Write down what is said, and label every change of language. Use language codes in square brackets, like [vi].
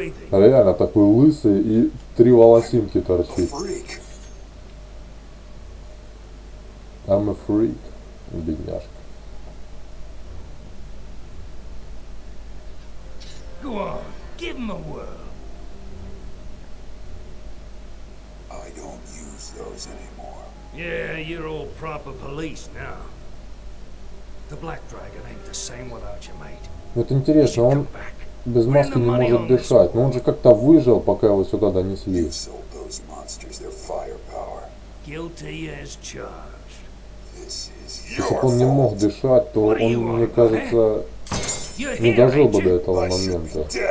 [ru] Реально такой лысый и три волосинки торчит. [en] I'm a freak, [ru] бедняжка. [en] Go on, give him a whirl. I don't use those anymore. Yeah, you're all proper police now. The Black Dragon ain't the same without you, mate. [ru] Вот интересно, он без маски не может дышать, но он же как-то выжил, пока его сюда донесли. [en] You sold those monsters their firepower. Guilty as charged. [ru] Если бы он не мог дышать, то он, мне кажется, не дожил бы до этого момента.